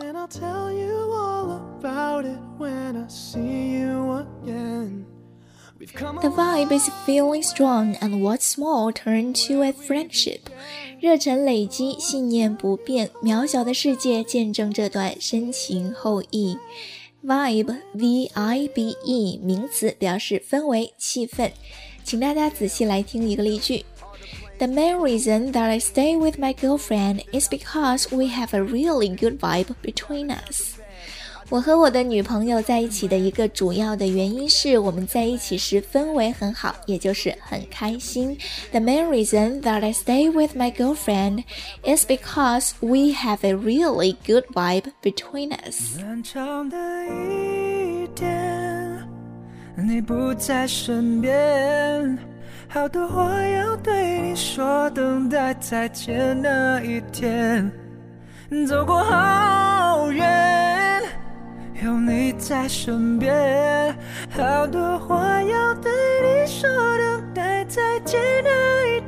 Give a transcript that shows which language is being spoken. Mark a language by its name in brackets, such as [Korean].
[English] And I'll tell you all about it when I see you againThe vibe is feeling strong and what's small turned to a friendship. [Chinese] 热忱累积，信念不变，渺小的世界见证这段深情厚谊。 Vibe, V-I-B-E, 名词表示氛围、气氛。请大家仔细来听一个例句。 [English] The main reason that I stay with my girlfriend is because we have a really good vibe between us. [Chinese] 我和我的女朋友在一起的一个主要的原因是我们在一起时氛围很好，也就是很开心。 [English] The main reason that I stay with my girlfriend is because we have a really good vibe between us. [Chinese] 漫长的一天你不在身边，好多话要对你说，等待再见那一天，走过好远有你在身边，好多话要对你说，等待再见那一天。